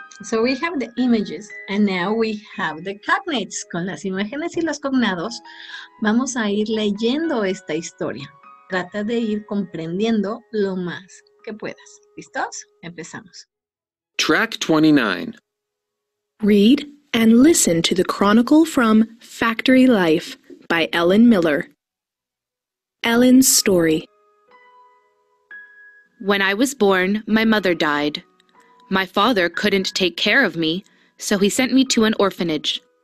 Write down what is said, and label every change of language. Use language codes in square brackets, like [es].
[en] So we have the images and now we have the cognates. [es] Con las imágenes y los cognados, vamos a ir leyendo esta historia. Trata de ir comprendiendo lo más que puedas. ¿Listos? Empezamos. [en] Track 29. Read and listen to the chronicle from Factory Life by Ellen Miller. Ellen's story. When I was born, my mother died. My father couldn't take care of me, so he sent me to an orphanage.